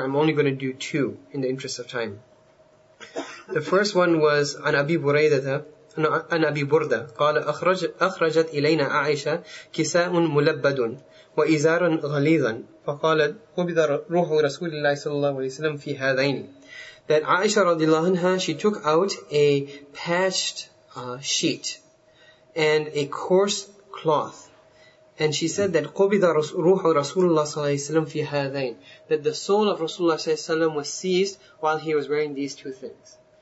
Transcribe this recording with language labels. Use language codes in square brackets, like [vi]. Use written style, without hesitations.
[en] I'm only going to do 2 in the interest of time. The first one was [ar] عن أبي بريدة. عن أبي بردة قال أخرجت إلينا عائشة كساء ملبد وإزارا غليظا. فقالت قبض روح رسول الله صلى الله عليه وسلم في هذين. [en] That Aisha رضي الله عنها, she took out a patched sheet and a coarse cloth, and she said that [ar] قبض روح رسول الله صلى الله عليه وسلم في هذين, [en] that the soul of Rasulullah صلى الله عليه وسلم was seized while he was wearing these 2 things.